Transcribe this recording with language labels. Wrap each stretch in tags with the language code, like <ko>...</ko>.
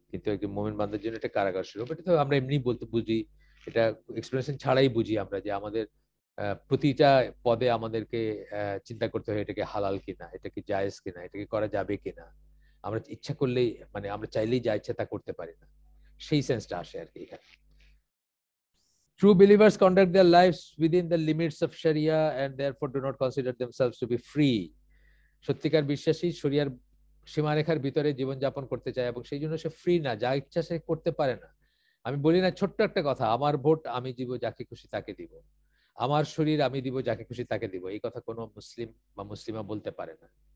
<bn>কিন্তু একটি মোমিন বান্দার জন্য এটা কারাগার স্বরূপ। এটা তো আমরা এমনি বলতে বুঝি, এটা এক্সপ্লেনেশন ছাড়াই বুঝি আমরা, যে আমাদের প্রতিটা পদে আমাদেরকে চিন্তা করতে হয় এটাকে হালাল কিনা, এটাকে জায়েজ কিনা, এটাকে করা যাবে কিনা। আমরা ইচ্ছা করলেই মানে আমরা চাইলেই যা ইচ্ছা তা করতে পারি না, সেই সেন্সটা আসে আর কি এখানে।</bn> <en>True believers conduct their lives within the limits of Sharia and therefore do not consider themselves to be free.</en> <bn>সত্যিকার বিশ্বাসী শরিয়ার সীমারেখার ভিতরে জীবনযাপন করতে চায় এবং সেই জন্য সে ফ্রি না, যা ইচ্ছা সে করতে পারে না। আমি বলি না ছোট্ট একটা কথা, আমার ভোট আমি দিব যাকে খুশি তাকে দিব, আমার শরীর আমি দিব যাকে খুশি তাকে দিব, এই কথা কোনো মুসলিম বা মুসলিমা বলতে পারে না।</bn>